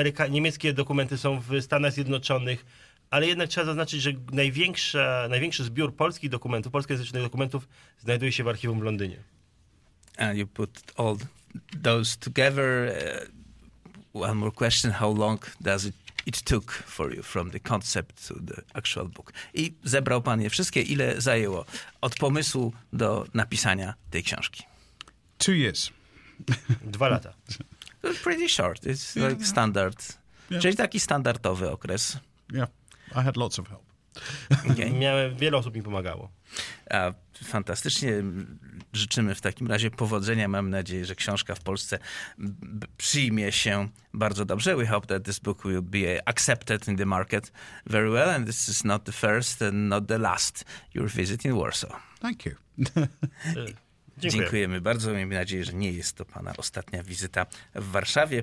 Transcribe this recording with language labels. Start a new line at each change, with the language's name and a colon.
Polish: Niemieckie dokumenty są w Stanach Zjednoczonych, ale jednak trzeba zaznaczyć, że największy zbiór polskich dokumentów, polskojęzycznych dokumentów, znajduje się w archiwum w Londynie.
English: And you put all those together. One more question, how long does it took for you from the concept to the actual book?
Polish: I zebrał pan je wszystkie, ile zajęło od pomysłu do napisania tej książki?
English: 2 years.
Polish: 2 lata.
English: It's pretty short, it's like standard. Yeah.
Polish: Czyli taki standardowy okres.
English: Yeah, I had lots of help.
Polish: Miałem, wiele osób mi pomagało. A, fantastycznie. Życzymy w takim razie powodzenia. Mam nadzieję, że książka w Polsce przyjmie się bardzo dobrze.
English: We hope that this book will be accepted in the market very well. And this is not the first and not the last your visit in Warsaw. Thank you.
Polish: Dziękuję. Dziękujemy bardzo. Miejmy nadzieję, że nie jest to pana ostatnia wizyta w Warszawie.